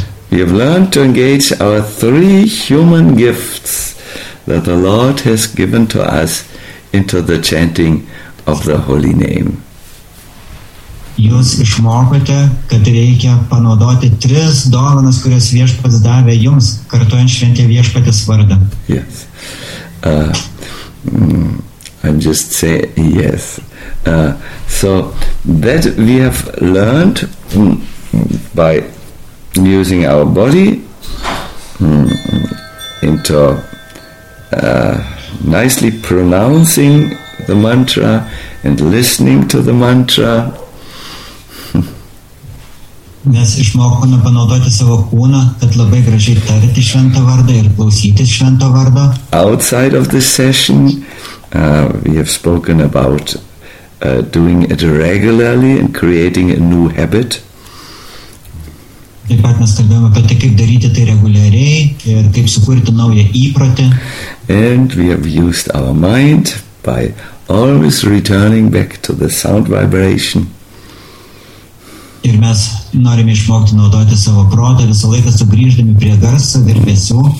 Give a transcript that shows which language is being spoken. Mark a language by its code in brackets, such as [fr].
[en] We have learned to engage our three human gifts that the Lord has given to us into the chanting of the Holy Name. [lt] Jūs išmokote, kad reikia panaudoti tris dovanas, kurias Viešpats davė jums, kartuojant šventę Viešpatės vardą. [en] Yes. I'm just saying yes. So that we have learned by using our body into nicely pronouncing the mantra and listening to the mantra. [lt] Mes išmokome panaudoti savo kūną, kad labai gražiai tarti šventą vardą ir klausytis šventą vardą. [en] Outside of this session, we have spoken about doing it regularly and creating a new habit. [lt] Taip pat mes kalbėjome apie tai, kaip daryti tai reguliariai ir kaip sukurti naują įprotį. [en] And we have used our mind by always returning back to the sound vibration. [lt] Ir mes norime išmokti naudoti savo protą, visą laiką sugrįždami prie garso virpesių.